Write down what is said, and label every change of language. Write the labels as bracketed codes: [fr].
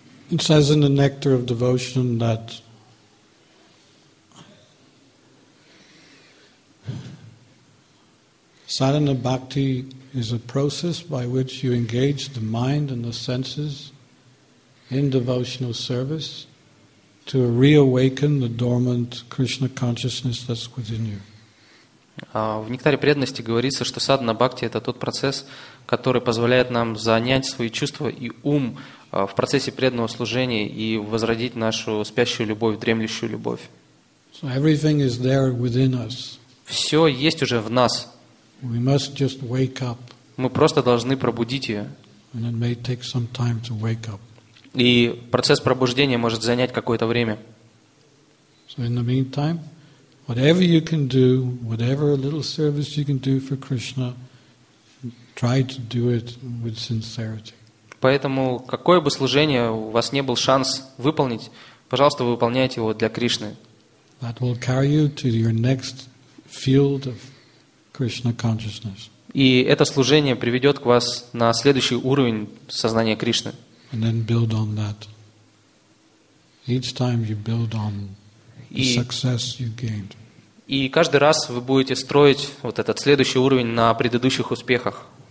[en] It says in the Nectar of Devotion that sadhana bhakti is a process by which you engage the mind and the senses in devotional service to reawaken the dormant Krishna consciousness that's within you. [ru] В Нектаре преданности говорится, что садхана бхакти – это тот процесс, который позволяет нам занять свои чувства и ум в процессе преданного служения и возродить нашу спящую любовь, дремлющую любовь. [en] So everything is there within us. [ru] Все есть уже в нас. [en] We must just wake up. [ru] Мы просто должны пробудить ее. [en] And it may take some time to wake up. [ru] И процесс пробуждения может занять какое-то время. [en] So in the meantime, whatever you can do, whatever little service you can do for Krishna, try to do it with sincerity. [ru] Поэтому какое бы служение у вас не был шанс выполнить, пожалуйста, выполняйте его для Кришны. [en] That will carry you to your next field of Krishna consciousness. [ru] И это служение приведет к вас на следующий уровень сознания Кришны. [en] And then build on that. Each time you build on the success you gained. [ru] И каждый раз вы будете строить вот этот следующий уровень на предыдущих успехах.